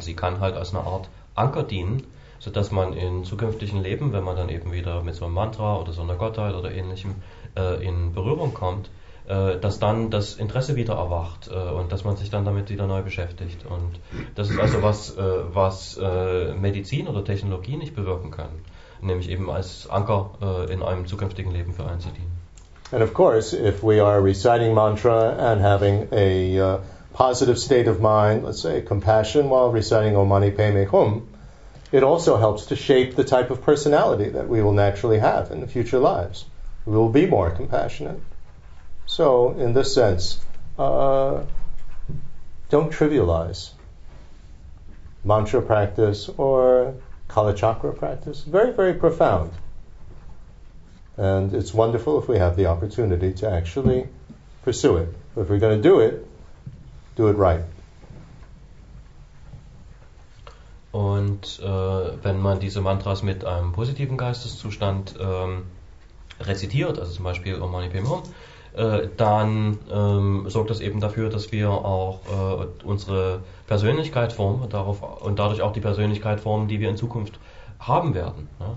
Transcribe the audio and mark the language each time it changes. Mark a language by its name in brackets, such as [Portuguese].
[German] Sie kann halt als eine Art Anker dienen, sodass man in zukünftigen Leben, wenn man dann eben wieder mit so einem Mantra oder so einer Gottheit oder ähnlichem in Berührung kommt, dass dann das Interesse wieder erwacht und dass man sich dann damit wieder neu beschäftigt. Und das ist also was, was Medizin oder Technologie nicht bewirken kann, nämlich eben als Anker in einem zukünftigen Leben für einen zu dienen. [English] And of course, if we are reciting mantra and having a positive state of mind, let's say compassion while reciting Om Mani Padme Hum, it also helps to shape the type of personality that we will naturally have in the future lives. We will be more compassionate. So in this sense, don't trivialize mantra practice or Kalachakra practice. Very, very profound. And it's wonderful if we have the opportunity to actually pursue it. But if we're going to do it right. [German] Und wenn man diese Mantras mit einem positiven Geisteszustand rezitiert, also zum Beispiel Om Mani Padme Hum, dann sorgt das eben dafür, dass wir auch unsere Persönlichkeit formen darauf, und dadurch auch die Persönlichkeit formen, die wir in Zukunft haben werden.